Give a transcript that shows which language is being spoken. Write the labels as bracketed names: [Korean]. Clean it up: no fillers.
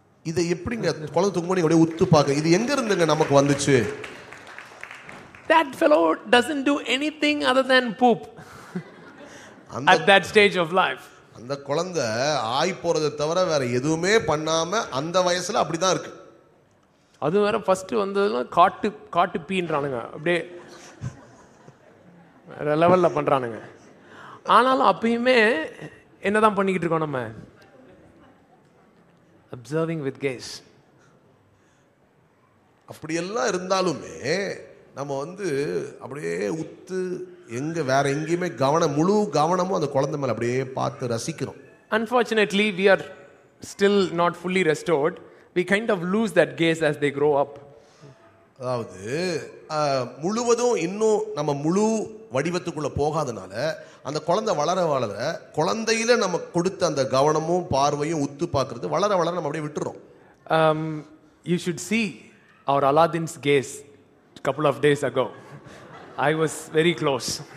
[Tamil] இத எப்படிங்க குழந்தை தூங்கும்போது அப்படியே உத்து பாக்க, இது எங்க இருந்துங்க நமக்கு வந்துச்சு? [English] That fellow doesn't do anything other than poop at that stage of life. [Tamil] அந்த குழந்தை ஆய் போறதை தவிர வேற எதுவுமே பண்ணாம அந்த வயசுல அப்படிதான் இருக்கு. அது வேற ஃபர்ஸ்ட் வந்ததுலாம் காட்டு காட்டு பீன்றானுங்க, அப்படியே வேற லெவல்ல பண்றானுங்க. ஆனாலும் அப்பயுமே என்னதான் பண்ணிக்கிட்டு இருக்கோம் நம்ம? [English] Observing with gas. [Tamil] அப்படியெல்லாம் இருந்தாலுமே நம்ம வந்து அப்படியே உத்து எங்க வேற எங்கேயுமே கவனம் முழு கவனமும் அந்த குழந்தை மேல அப்படியே பார்த்து ரசிக்கிறோம். [English] Unfortunately, we are still not fully restored. We kind of lose that gaze as they grow up. [Tamil] அதாவது முழுவதும் இன்னும் நம்ம முழு வடிவத்துக்குள்ள போகாதனால அந்த குழந்தை வளர வளர குழந்தையில நம்ம கொடுத்த அந்த கவனமும் பார்வையும் உத்து பார்க்கறது வளர வளர நம்ம அப்படியே விட்டுறோம். [English] You should see our Aladdin's gaze. Couple of days ago I was very close.